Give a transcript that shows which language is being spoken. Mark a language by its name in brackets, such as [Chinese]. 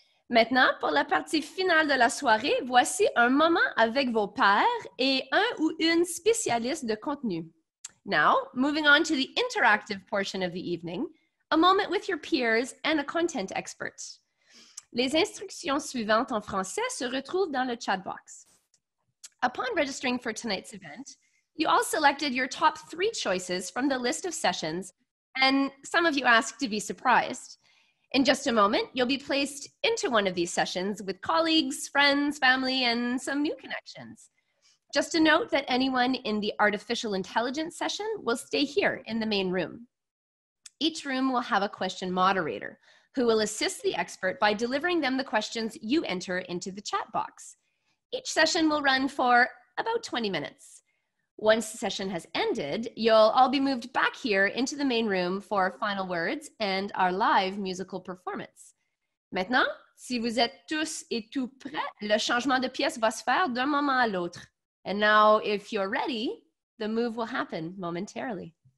[French] Maintenant, pour la partie finale de la soirée, voici un moment avec vos pairs et un ou une spécialiste de contenu. [English] Now, moving on to the interactive portion of the evening, a moment with your peers and a content expert. [French] Les instructions suivantes en français se retrouvent dans le chat box. [English] Upon registering for tonight's event, you all selected your top three choices from the list of sessions, and some of you asked to be surprised. In just a moment, you'll be placed into one of these sessions with colleagues, friends, family, and some new connections. Just a note that anyone in the artificial intelligence session will stay here in the main room. Each room will have a question moderator who will assist the expert by delivering them the questions you enter into the chat box. Each session will run for about 20 minutes. Once the session has ended, you'll all be moved back here into the main room for final words and our live musical performance. [French] Maintenant, si vous êtes tous et tout prêts, le changement de pièce va se faire d'un moment à l'autre. [English] And now, if you're ready, the move will happen momentarily.